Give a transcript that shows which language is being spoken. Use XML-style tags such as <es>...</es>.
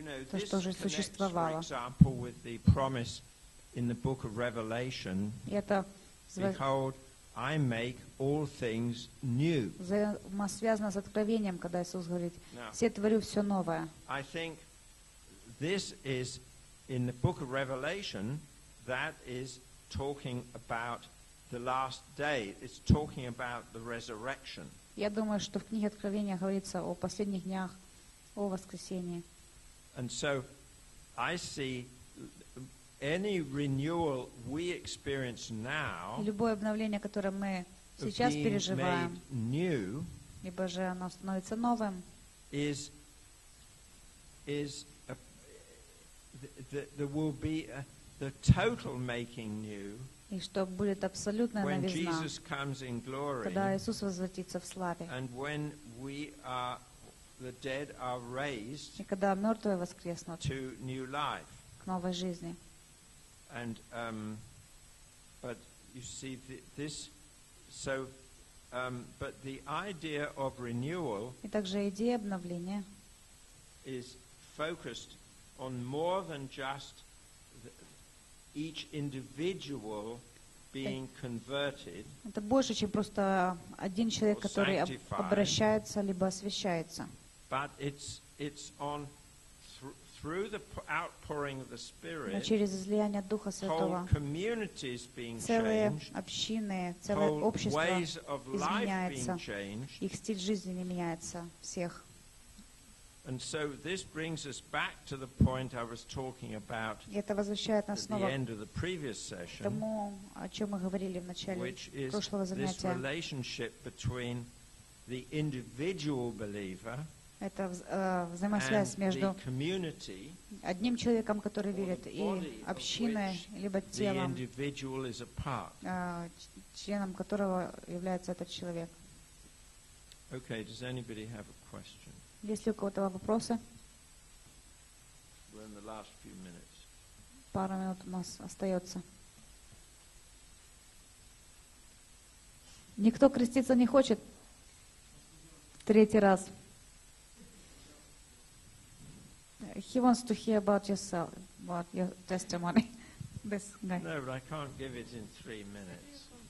<ru>то, что уже существовало. И это связано с откровением, когда Иисус говорит, «Все творю все новое».</ru> <en>This is in the book of Revelation that is talking about the last day. It's talking about the resurrection.</en> <ru>Я думаю, что в книге Откровения говорится о последних днях, о воскресении.</ru> <en>And so I see any renewal we experience now.</en> <ru>Любое обновление, которое мы сейчас переживаем,</ru> <en>new,</en> <ru>либо же оно становится новым,</ru> <en>is there will be the total making new.</en> <ru>И что будет абсолютная новизна.</ru> <en>When Jesus comes in glory.</en> <ru>Когда Иисус возвратится в славе.</ru> <en>And when we are the dead are raised.</en> <ru>И когда мертвые воскреснут.</ru> <en>To new life.</en> <ru>К новой жизни.</ru> <en>And but you see this so but the idea of renewal.</en> <ru>И также идея обновления.</ru> <en>Is focused on more than just each individual being converted.</en> <ru>Это больше, чем просто один человек, который обращается либо освящается.</ru> <en>But it's on through the outpouring of the Spirit.</en> <ru>Но через излияние Духа Святого.</ru> <en>Whole communities being changed.</en> <ru>Целые общины, целое общество изменяется. Их стиль жизни меняется всех.</ru> <en>And so this brings us back to the point I was talking about at the end of the previous session,</en> <ru>тому, о чем мы говорили в начале прошлого занятия.</ru> <en>Which is this relationship between the individual believer</en> <ru>это, взаимосвязь между</ru> <en>the community,</en> <ru>одним человеком, который верит, и общиной, либо телом,</ru> <en>the individual is a part.</en> <ru>Членом которого является этот человек.</ru> <en>Okay, does anybody have a question?</en> <ru>Есть ли у кого-то вопросы?</ru> <en>We're in the last few minutes.</en> <ru>Пару минут у нас остается. Никто креститься не хочет? Третий раз.</ru> <en>He wants to hear about yourself, about your testimony. This guy. No, but I can't give it in three minutes.</en>